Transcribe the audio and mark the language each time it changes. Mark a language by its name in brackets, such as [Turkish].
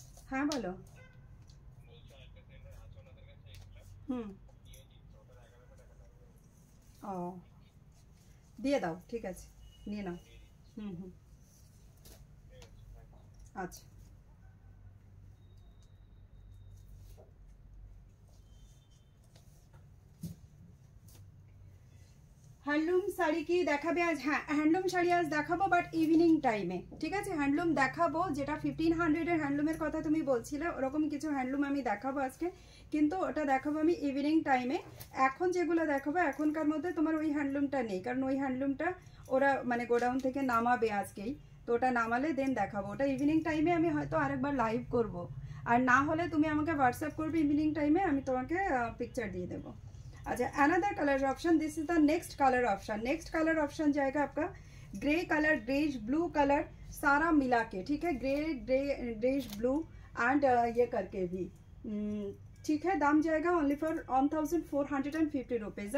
[Hindi] हाँ बोलो, ओ दिए दाओ, ठीक है नहीं ना, अच्छा हैंडलूम [Bangla] শাড়ি কি দেখাবে আজ? হ্যাঁ হ্যান্ডলুম শাড়ি আজ দেখাবো, বাট ইভিনিং টাইমে, ঠিক আছে, হ্যান্ডলুম দেখাবো, যেটা 1500 এর হ্যান্ডলুমের কথা তুমি বলছিলে ওরকম কিছু হ্যান্ডলুম আমি দেখাবো আজকে, কিন্তু ওটা দেখাবো আমি ইভিনিং টাইমে। এখন যেগুলো দেখাবো এখনকার মধ্যে তোমার ওই হ্যান্ডলুমটা নেই, কারণ ওই হ্যান্ডলুমটা ওরা মানে গোডাউন থেকে নামাবে আজকেই, তো ওটা নামালে দেন দেখাবো, ওটা ইভিনিং টাইমে আমি হয়তো আরেকবার লাইভ করব, আর না হলে তুমি আমাকে হোয়াটসঅ্যাপ করবে ইভিনিং টাইমে, আমি তোমাকে পিকচার দিয়ে দেবো। [Hindi] अच्छा [English] another colour option, this is the next colour option, [Hindi] next colour option जाएगा आपका grey colour, graze blue colour सारा मिला के, ठीक है, grey grey graze blue and ये करके भी, ठीक है, दाम जाएगा ओनली फॉर 1450 रुपीज़।